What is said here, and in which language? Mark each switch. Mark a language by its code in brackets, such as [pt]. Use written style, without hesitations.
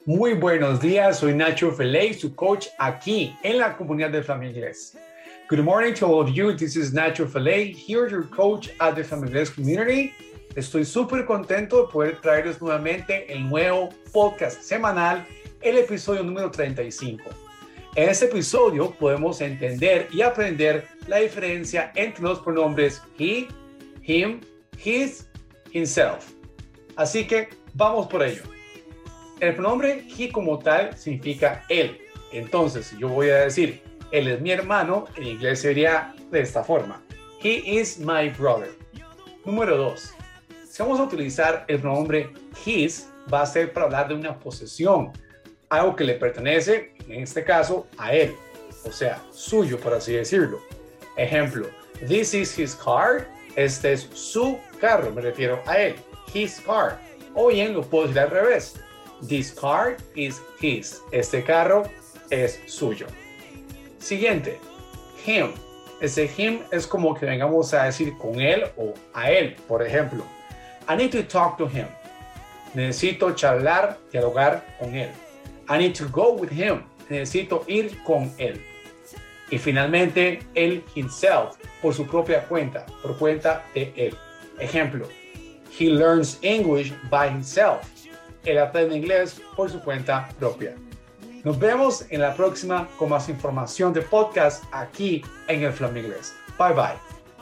[es] Muy buenos días, soy Nacho Feley, su coach aquí en la comunidad de Flamengo Inglés. [en] Good morning to all of you, this is Nacho Feley, here your coach at the Flamengo Inglés community. [es] Estoy súper contento de poder traerles nuevamente el nuevo podcast semanal, el episodio número 35. En este episodio podemos entender y aprender la diferencia entre los pronombres he, him, his, himself. Así que vamos por ello. El pronombre he como tal significa él. Entonces, si yo voy a decir, él es mi hermano, en inglés sería de esta forma. [en] He is my brother. [es] Número 2. Si vamos a utilizar el pronombre his, va a ser para hablar de una posesión. Algo que le pertenece, en este caso, a él. O sea, suyo, por así decirlo. Ejemplo, [en] this is his car. [es] Este es su carro, me refiero a él. [en] His car. [es] O bien, lo puedo decir al revés. [en] This car is his. [es] Este carro es suyo. Siguiente. Him. Ese him es como que vengamos a decir con él o a él. Por ejemplo, [en] I need to talk to him. [es] Necesito charlar, dialogar con él. [en] I need to go with him. [es] Necesito ir con él. Y finalmente, él himself, por su propia cuenta, por cuenta de él. Ejemplo, [en] he learns English by himself. [es] Él aprende inglés por su cuenta propia. Nos vemos en la próxima con más información de podcast aquí en el Flamenglés. Bye bye.